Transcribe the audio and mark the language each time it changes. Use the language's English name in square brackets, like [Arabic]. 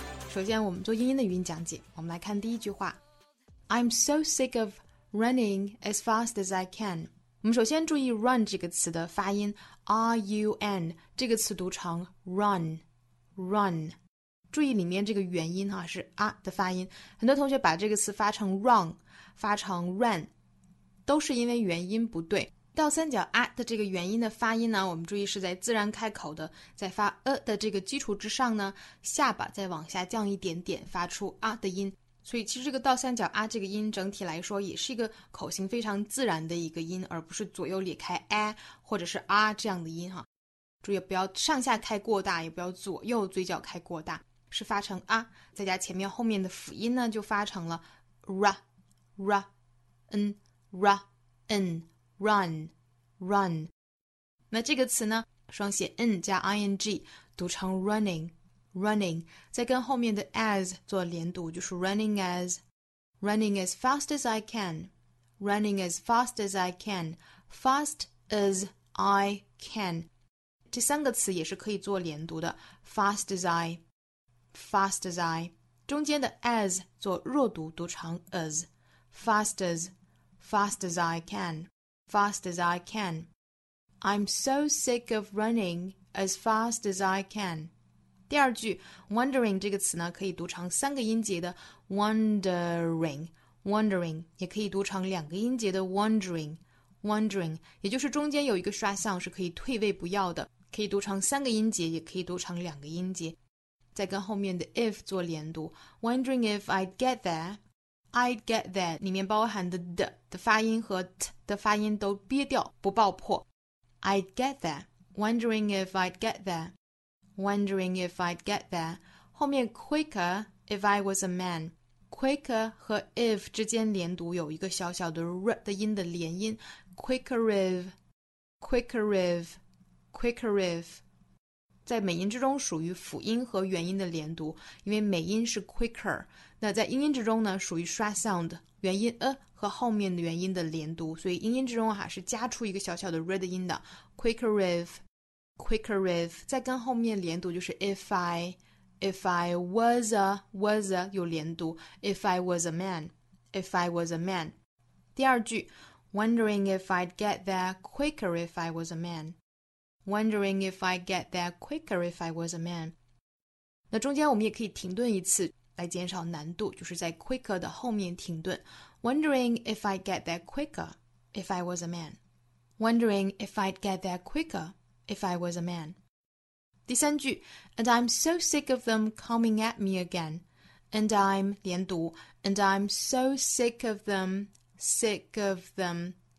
[Chinese] 首先我们做英音的语音讲解，我们来看第一句话。 [English] I'm so sick of running as fast as I can。 [Chinese] 我们首先注意 run 这个词的发音， R-U-N 这个词读成 run， run，注意里面这个元音哈，是啊的发音。很多同学把这个词发成 run， 发成 run， 都是因为元音不对。倒三角啊的这个元音的发音呢，我们注意是在自然开口的，在发的这个基础之上呢，下巴再往下降一点点，发出啊的音。所以其实这个倒三角啊这个音整体来说也是一个口型非常自然的一个音，而不是左右裂开啊或者是啊这样的音哈。注意不要上下开过大，也不要左右嘴角开过大，是发成啊，再加前面后面的辅音呢，就发成了 ra ra n ra n run run。那这个词呢，双写 n 加 ing 读成 running running， 再跟后面的 as 做连读，就是 [English] running as running as fast as I can [Chinese] running as fast as I can fast as I can。这三个词也是可以做连读的， [English] fast as I fast as I， [Chinese] 中间的 as 做弱读，读成 [English] as fast as fast as I can [Chinese] fast as I can。 [English] I'm so sick of running as fast as I can。 [Chinese] 第二句 wondering 这个词呢，可以读成三个音节的 wondering wondering， 也可以读成两个音节的 wondering wondering， 也就是中间有一个刷项是可以退位不要的，可以读成三个音节，也可以读成两个音节，再跟后面的 if 做连读。 [English] Wondering if I'd get there I'd get there [Chinese] 里面包含的 d 的发音和 t 的发音都憋掉不爆破。 [English] I'd get there Wondering if I'd get there Wondering if I'd get there [Chinese] 后面 [English] quicker if I was a man。 [Chinese] Quicker 和 if 之间连读有一个小小的 r 的音的连音， [English] quicker if quicker ifQuicker if， [Chinese] 在美音之中属于辅音和元音的连读，因为美音是 quicker， 那在英音之中呢属于刷 sound， 元音和后面的元音的连读，所以英音之中还是加出一个小小的 red 音的 quicker if [English] quicker if， [Chinese] 再跟后面连读就是 [English] if I if I was a was a [Chinese] 有连读 [English] if I was a man if I was a man。 [Chinese] 第二句 [English] wondering if I'd get there quicker if I was a manWondering if I get there quicker if I was a man. [Chinese] 那中间我们也可以停顿一次来减少难度，就是在 quicker 的后面停顿。 [English] Wondering if I get there quicker if I was a man. Wondering if I'd get there quicker if I was a man. [Chinese] 第三句 [English] And I'm so sick of them coming at me again. And I'm [Chinese] 连读 [English] And I'm so sick of them sick of them.